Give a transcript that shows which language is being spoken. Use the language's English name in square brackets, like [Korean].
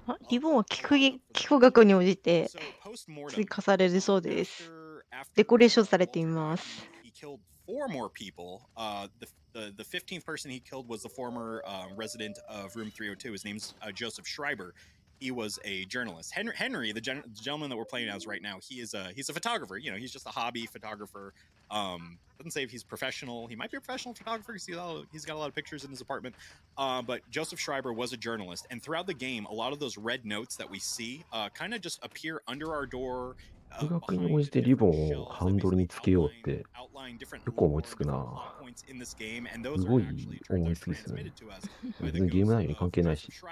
[Japanese] リボンは気候学に応じて追加されるそうです。デコレーションされています。 [English] The 15th person he killed was the former resident of room 302. His name's Joseph Schreiber. He was a journalist. Henry, the gentleman that we're playing as right now, he's a photographer. You know, he's just a hobby photographer. Doesn't say if he's professional. He might be a professional photographer. He's got a lot of pictures in his apartment. But Joseph Schreiber was a journalist. And throughout the game, a lot of those red notes that we see kind of just appear under our door. [Japanese] 数学に応じてリボンをハンドルにつけようってよく思いつくな。すごい思いつきですね。別にゲーム内容に関係ないし。